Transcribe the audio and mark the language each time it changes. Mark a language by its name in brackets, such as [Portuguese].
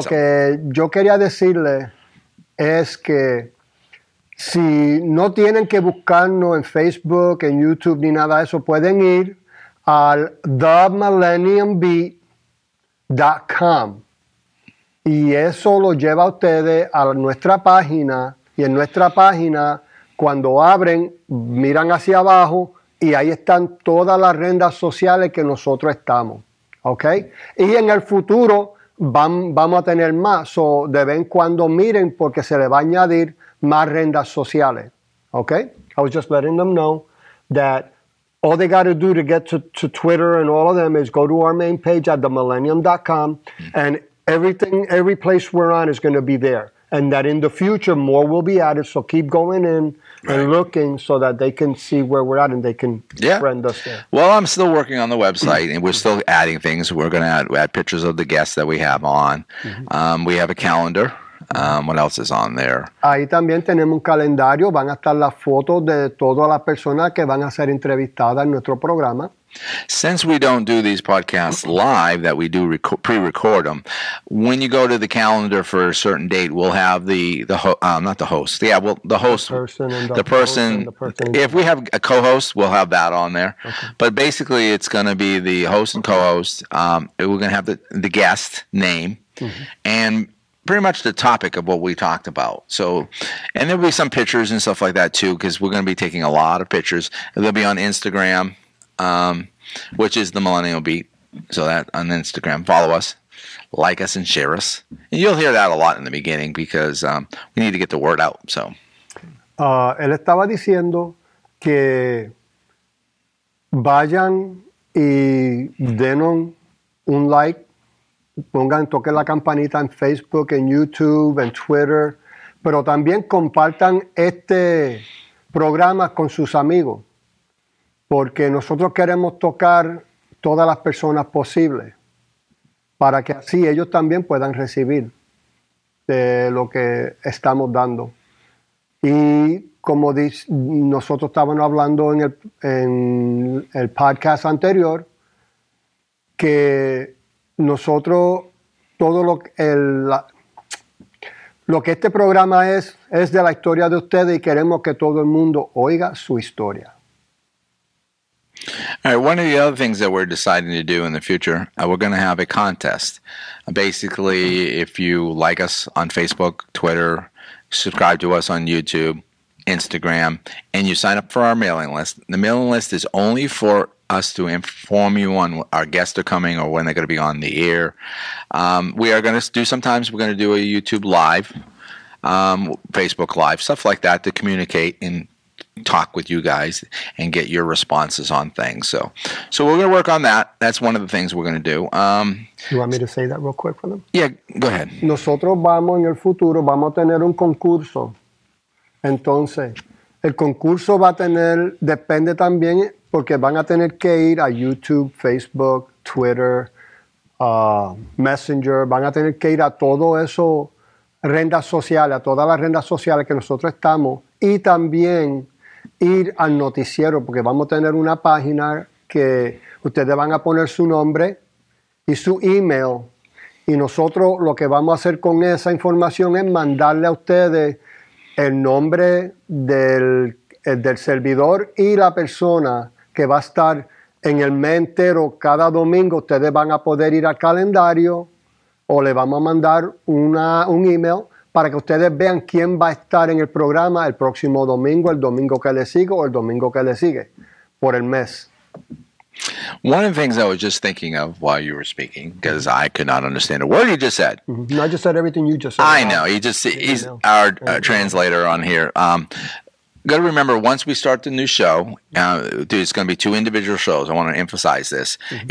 [Spanish] something. Lo que yo quería decirle es que si no tienen que buscarnos en Facebook, en YouTube, ni nada de eso, pueden ir al themillenniumbeat.com y eso lo lleva a ustedes a nuestra página, y en nuestra página, cuando abren, miran hacia abajo, y ahí están todas las redes sociales que nosotros estamos, ¿ok? Y en el futuro vamos a tener más. So, de vez en cuando miren porque se le va a añadir más redes sociales, ¿ok? [English] I was just letting them know that all they got to do to get to Twitter and all of them is go to our main page at themillennium.com and everything, every place we're on is going to be there. And that in the future, more will be added. So keep going in and looking so that they can see where we're at and they can friend us there. Well, I'm still working on the website and we're still adding things. We're going to add pictures of the guests that we have on. We have a calendar. What else is on there? [Spanish] Ahí también tenemos un calendario. Van a estar las fotos de todas las personas que van a ser entrevistadas en nuestro programa. [English] Since we don't do these podcasts live, that we do pre-record them, when you go to the calendar for a certain date, we'll have the host. If we have a co-host, we'll have that on there. Okay. But basically, it's going to be the host and co-host. We're going to have the guest name and pretty much the topic of what we talked about. So, and there'll be some pictures and stuff like that too, because we're going to be taking a lot of pictures. They'll be on Instagram. Which is the Millennial Beat. So that on Instagram, follow us, like us, and share us. And you'll hear that a lot in the beginning because we need to get the word out. So, [Spanish] él estaba diciendo que vayan y den un like, pongan, toquen la campanita en Facebook, en YouTube, en Twitter, pero también compartan este programa con sus amigos. Porque nosotros queremos tocar todas las personas posibles para que así ellos también puedan recibir de lo que estamos dando. Y como nosotros estábamos hablando en el podcast anterior, que nosotros, todo lo que este programa es de la historia de ustedes y queremos que todo el mundo oiga su historia. [English] All right, one of the other things that we're deciding to do in the future, we're going to have a contest. Basically, if you like us on Facebook, Twitter, subscribe to us on YouTube, Instagram, and you sign up for our mailing list. The mailing list is only for us to inform you on our guests are coming or when they're going to be on the air. We are going to do sometimes we're going to do a YouTube live, Facebook live, stuff like that to communicate and talk with you guys and get your responses on things. So we're going to work on that. That's one of the things we're going to do. You want me to say that real quick for them? Yeah, go ahead. [Spanish] Nosotros vamos en el futuro, vamos a tener un concurso. Entonces, el concurso va a tener, depende también, porque van a tener que ir a YouTube, Facebook, Twitter, Messenger, van a tener que ir a todo eso, rendas sociales, a todas las rendas sociales que nosotros estamos, y también ir al noticiero, porque vamos a tener una página que ustedes van a poner su nombre y su email, y nosotros lo que vamos a hacer con esa información es mandarle a ustedes el nombre del servidor y la persona que va a estar en el mes entero cada domingo. Ustedes van a poder ir al calendario o le vamos a mandar un email para que ustedes vean quién va a estar en el programa el próximo domingo, el domingo que le sigue o el domingo que le sigue por el mes. [English] One of the things I was just thinking of while you were speaking, because I could not understand a word you just said. Mm-hmm. No, I just said everything you just said. I know. He's our translator on here. Got to remember, once we start the new show, dude, it's going to be two individual shows. I want to emphasize this. Mm-hmm.